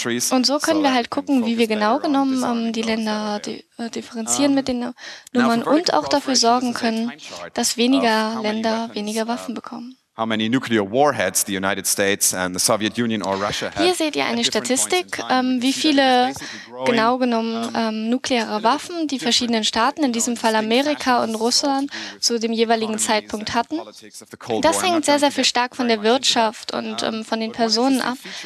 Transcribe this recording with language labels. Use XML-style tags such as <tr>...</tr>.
<de>Und so können wir halt gucken, wie wir genau genommen die Länder differenzieren mit den Nummern und auch dafür sorgen können, dass weniger Länder weniger Waffen bekommen.</de> <en>How many nuclear warheads the United States and the Soviet Union or Russia had.</en> <de>Hier seht ihr eine Statistik, wie viele genau genommen nukleare Waffen die verschiedenen Staaten, in diesem Fall Amerika und Russland, zu dem jeweiligen Zeitpunkt hatten. Das hängt sehr, sehr viel stark von der Wirtschaft und von den Personen ab.</de>